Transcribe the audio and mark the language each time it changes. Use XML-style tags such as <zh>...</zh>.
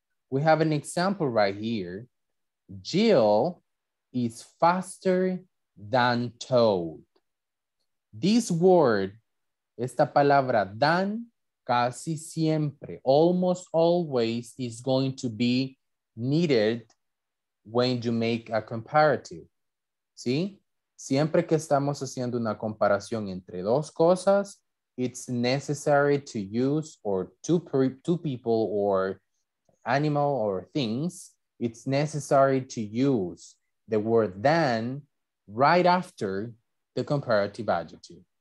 <en>We have an example right here. Jill is faster than Toad. This word,</en> <es>esta palabra</es> <en>than,</en> <es>casi siempre,</es> <en>almost always is going to be needed when you make a comparative.</en> <es>¿Sí? Siempre que estamos haciendo una comparación entre dos cosas,</es> <en>it's necessary to use or two people or animal or things, it's necessary to use the word than right after the comparative adjective.</en>